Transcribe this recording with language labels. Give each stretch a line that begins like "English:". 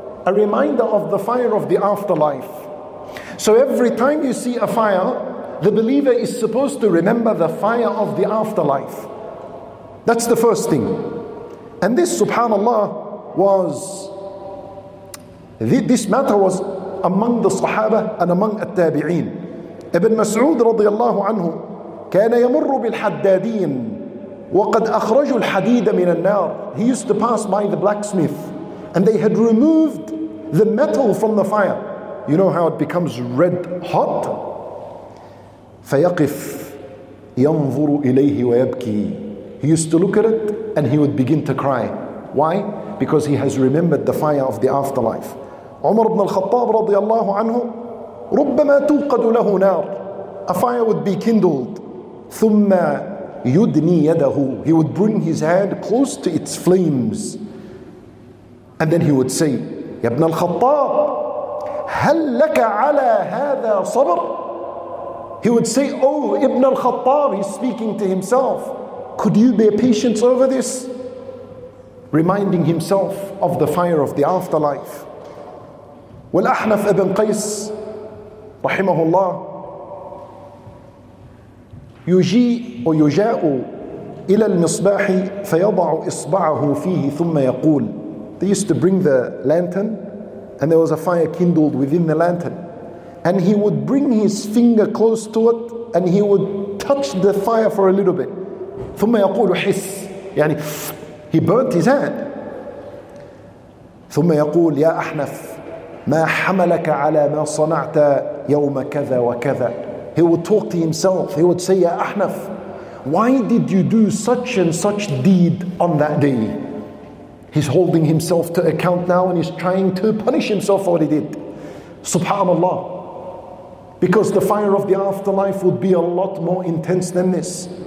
English: A reminder of the fire of the afterlife. So every time you see a fire, the believer is supposed to remember the fire of the afterlife. That's the first thing. And this, subhanAllah, was this matter was among the Sahaba and among At-Tabi'een.
Arabic: Ibn Mas'ud radiallahu anhu, كان يمر بالحدادين وقد أخرجوا الحديد من النار.
English: He used to pass by the blacksmith and they had removed the metal from the fire. You know how it becomes red hot?
Arabic: فيقف ينظر إليه ويبكي.
English: He used to look at it and he would begin to cry. Why? Because he has remembered the fire of the afterlife. Umar ibn al-Khattab radiallahu anhu,
Arabic: ربما توقد له نار.
English: A fire would be kindled.
Arabic: ثم يدني يده.
English: He would bring his hand close to its flames. And then he would say,
Arabic: يا ابن الخطاب هل لك على هذا صبر.
English: He would say, oh ابن الخطاب, he's speaking to himself, could you bear patience over this? Reminding himself of the fire of the afterlife.
Arabic: والأحنف ابن قيس رحمه الله يجيء ويجاء إلى المصباح فيضع إصبعه فيه ثم يقول.
English: They used to bring the lantern and there was a fire kindled within the lantern. And he would bring his finger close to it and he would touch the fire for a little bit.
Arabic: ثم يقول حس.
English: يعني he burnt his hand.
Arabic: ثم يقول يا أحنف ما حملك على ما صنعت يوم كذا وكذا.
English: He would talk to himself. He would say, ya Ahnaf, why did you do such and such deed on that day? He's holding himself to account now and he's trying to punish himself for what he did. Subhanallah. Because the fire of the afterlife would be a lot more intense than this.